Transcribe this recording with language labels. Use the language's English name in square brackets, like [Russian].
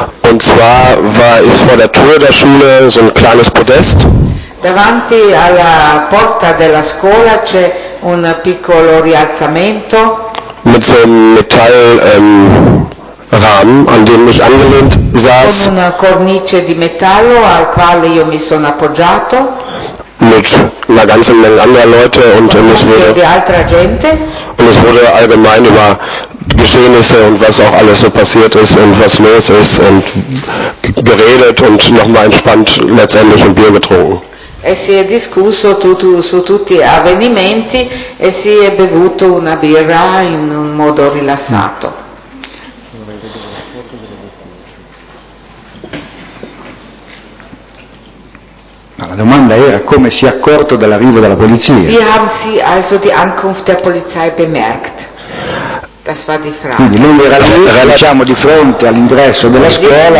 [German] Und zwar war ich vor der Tür der Schule so ein kleines Podest. [Italian] Davanti alla porta della scuola c'è un piccolo rialzamento. [German] Mit so einem Metallrahmen, an dem ich angelehnt saß. [Italian] Con una cornice di metallo al quale io mi sono appoggiato. [German] Mit einer ganzen Menge anderer Leute und es wurde allgemein über Geschehnisse und was auch alles so passiert ist und was los ist und geredet und nochmal entspannt letztendlich ein Bier getrunken. [Italian] E si è discusso su tutti gli avvenimenti e si è bevuto una birra in un modo rilassato. La domanda era come si è accorto dell'arrivo della polizia. [German] Wie haben Sie also die Ankunft der Polizei bemerkt? Das war die Frage. [Italian] Quindi lui era lì, diciamo, di fronte all'ingresso della scuola